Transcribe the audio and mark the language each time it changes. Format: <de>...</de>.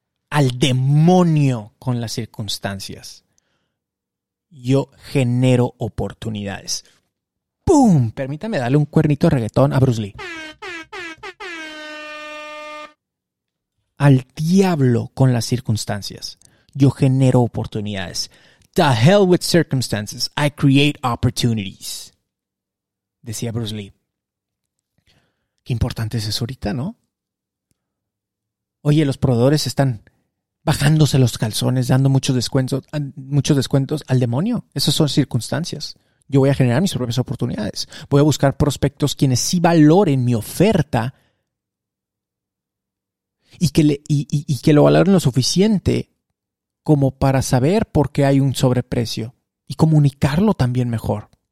<es>Al demonio con las circunstancias. Yo genero oportunidades. ¡Pum! Permítame darle un cuernito de reggaetón a Bruce Lee. Al diablo con las circunstancias. Yo genero oportunidades.</es> <en>The hell with circumstances, I create opportunities.</en> <es>Decía Bruce Lee. Qué importante es eso ahorita, ¿no? Oye, los proveedores están bajándose los calzones, dando muchos descuentos al demonio. Esas son circunstancias. Yo voy a generar mis propias oportunidades. Voy a buscar prospectos quienes sí valoren mi oferta y que lo valoren lo suficiente como para saber por qué hay un sobreprecio y comunicarlo también mejor.</es>